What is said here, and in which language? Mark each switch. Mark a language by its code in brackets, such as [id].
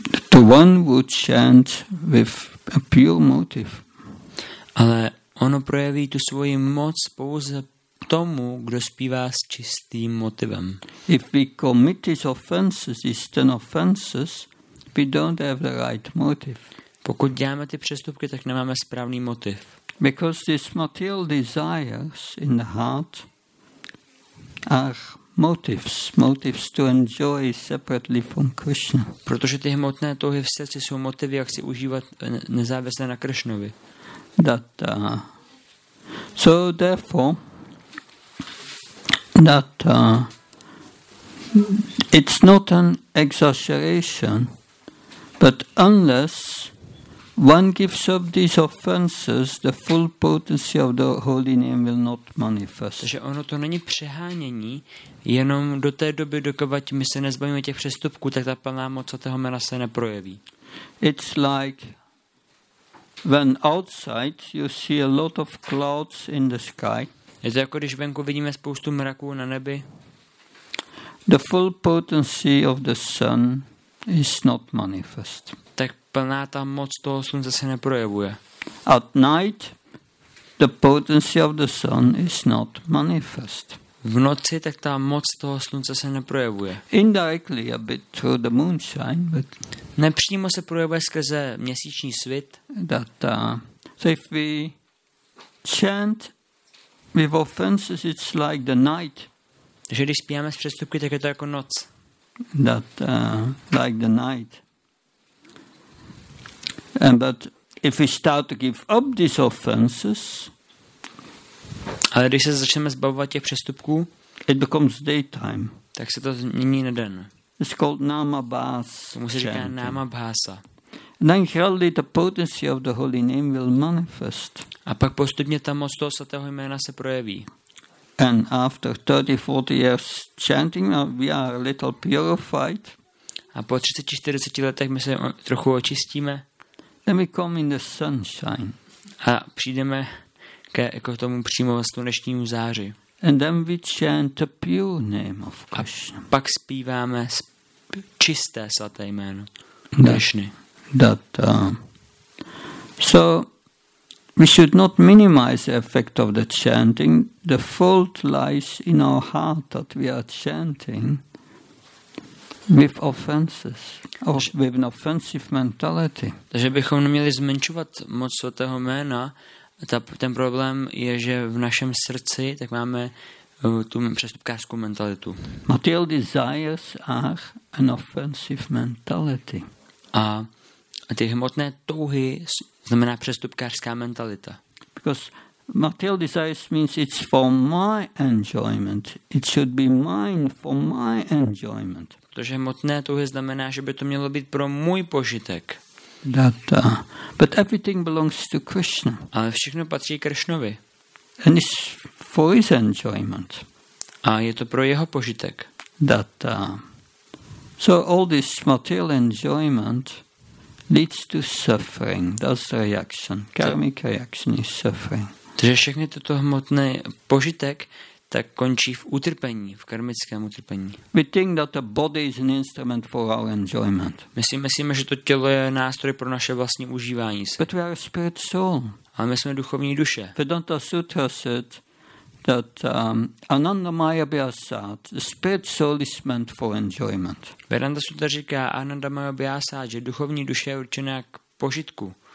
[en] To one who chants with a pure motive. [cs] Ale ono projeví tu svoji moc pouze tomu, kdo zpívá s čistým motivem. [en] If we commit these offenses, these 10 offenses, we don't have the right motive. [cs] Pokud děláme ty přestupky, tak nemáme správný motiv. [en] Because these material desires in the heart are motives to enjoy separately from Krishna. [cs] Protože ty hmotné touhy v srdci jsou motivy, jak si užívat nezávisle na Krishnovi. [en] So therefore that it's not an exaggeration, but unless one gives up these offenses, the full potency of the holy name will not manifest. [cs] Takže ono to není přehánění, jenom do té doby, dokud my se nezbavíme těch přestupků, tak ta plná moc svatého jména se neprojeví. [en] It's like when outside you see a lot of clouds in the sky. [cs] Je to jako když venku vidíme spoustu mraků na nebi. [en] The full potency of the sun is not manifest. [cs] Tak plná ta moc toho slunce se neprojevuje. [en] At night the potency of the sun is not manifest. [cs] V noci tak ta moc toho slunce se neprojevuje. [en] Indirectly a bit through the moonshine, but [cs] nepřímo se projevuje skrze měsíční svit. [en] That, so if we chant with offenses, it's like the night. [cs] Že když zpíváme s přestupky, tak je to jako noc. [en] That, like the night. And but if we start to give up these offenses, [cs] ale když se začneme zbavovat těch přestupků, [en] it becomes daytime. [cs] Tak se to změní na den. [en] It's called namabhas. [cs] Tomu se říká namabhasa. [en] Then gradually the potency of the holy name will manifest. [cs] A pak postupně ta moc toho svatého jména se projeví. [en] And after 30-40 years chanting, we are a little purified. [cs] A po 30-40 letech my se trochu očistíme. [en] Then we come in the sunshine. [cs] A přijdeme ke, jako tomu přímo slunečnímu záři. [en] And then we chant the pure name of Krishna. [cs] A pak zpíváme čisté svaté jméno Krishny. [en] That, so we should not minimize the effect of the chanting. The fault lies in our heart that we are chanting with offenses or with an offensive mentality. [cs] Takže bychom neměli zmenšovat moc svatého jména. Ten problém je, že v našem srdci tak máme tu přestupkářskou mentalitu. [en] Material desires are an offensive mentality. [cs] A ty hmotné touhy znamená přestupkářská mentalita. [en] Because material desires means it's for my enjoyment. It should be mine for my enjoyment. [cs] Protože hmotné touhy znamená, že by to mělo být pro můj požitek. [en] That, but everything belongs to Krishna. [cs] Ale všechno patří Krishnovi. [en] And it's for his enjoyment. [cs] A je to pro jeho požitek. [en] That, so all this material enjoyment leads to suffering. That's the reaction. Karmic reaction is suffering. [cs] Takže všechny toto hmotné požitek tak končí v utrpení, v karmickém utrpení. [en] We think that the body is an instrument for our enjoyment. [cs] Myslíme si, že to tělo je nástroj pro naše vlastní užívání se. [en] But we are a spirit soul. [cs] ale my jsme duchovní duše. [en] Vedanta Sutra said that Anandamaya Vyasat, spirit soul is meant for enjoyment. [cs] Vedanta Sutra říká Anandamaya Vyasat, že duchovní duše je určená k požitku.